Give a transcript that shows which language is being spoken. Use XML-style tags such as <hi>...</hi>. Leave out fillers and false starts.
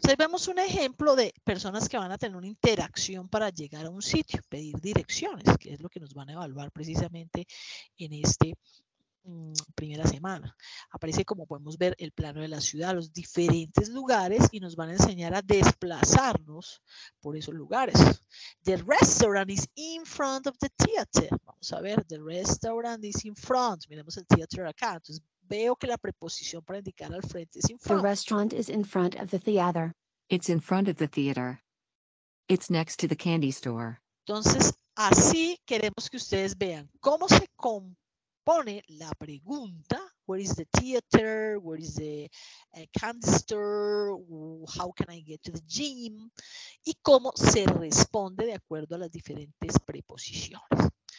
<es>Entonces vemos un ejemplo de personas que van a tener una interacción para llegar a un sitio, pedir direcciones, que es lo que nos van a evaluar precisamente en este primera semana. Aparece, como podemos ver, el plano de la ciudad, los diferentes lugares, y nos van a enseñar a desplazarnos por esos lugares.</es> <en>The restaurant is in front of the theater.</en> <es>Vamos a ver,</es> <en>the restaurant is in front.</en> <es>Miremos el theater acá. Entonces, veo que la preposición para indicar al frente es in front.</es> <en>The restaurant is in front of the theater. It's in front of the theater. It's next to the candy store.</en> <es>Entonces, así queremos que ustedes vean cómo se compone la pregunta.</es> <en>Where is the theater? Where is the candy store? How can I get to the gym?</en> <es>Y cómo se responde de acuerdo a las diferentes preposiciones.</es>